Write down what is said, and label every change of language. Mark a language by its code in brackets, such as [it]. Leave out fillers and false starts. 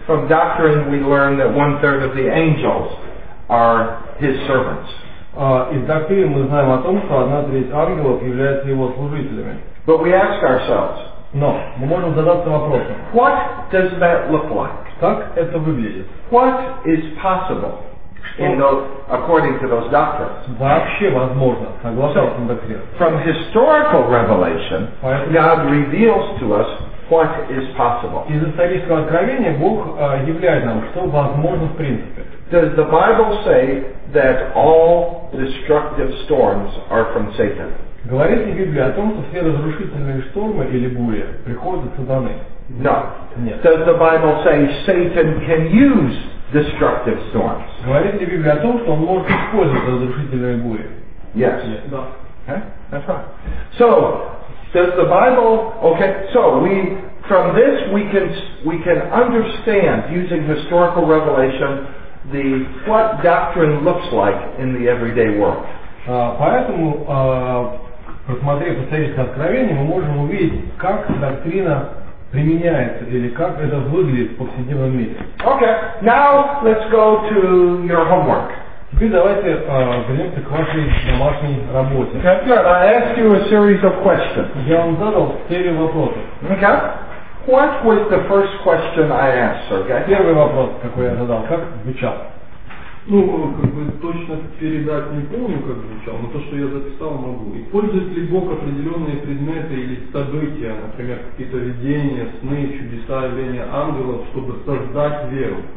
[en] From doctrine we learn that one third of the angels are his servants. [ru] Из доктрины мы знаем о том, что одна треть ангелов является его служителями. [en] But we ask ourselves. [ru] Но мы можем задаться вопросом. [en] What does that look like? [ru] Как это выглядит? [en] What is possible? In those, according to those doctrines. [ru] Вообще возможно, согласно этим доктринам. [en] From historical revelation, God reveals to us what is possible. [ru] Из исторического откровения Бог являет нам, что возможно в принципе. [en] Does the Bible say that all destructive storms are from Satan? [ru] Говорит ли Библия о том, что все разрушительные штормы или бури приходят от сатаны? [en] No. [ru] Нет. [en] Does the Bible say Satan can use destructive storms? [ru] Говорит ли Библия о том, что он может использовать разрушительные бури? [en] Yes. [ru] Да. [en] Okay? That's right. So, does the Bible... Okay, so we... From this we can understand, using historical revelation, what doctrine looks like in the everyday world. [ru] Поэтому, просмотрев исторические откровения, мы можем увидеть, как доктрина применяется или как это выглядит в повседневном мире. [en] Okay, now let's go to your homework. [ru] Теперь давайте вернемся к вашей домашней работе. [en] Okay, I asked you a series of questions. [ru] Я вам задал серию вопросов. [en] Okay. What was the first question I asked? Okay. [ru] Первый вопрос, какой я задал, как звучал? Ну, как бы точно передать не помню, как звучал, но то, что я записал, могу. И пользует ли Бог определенные предметы или события, например, какие-то видения, сны, чудеса, явления ангелов, чтобы создать веру?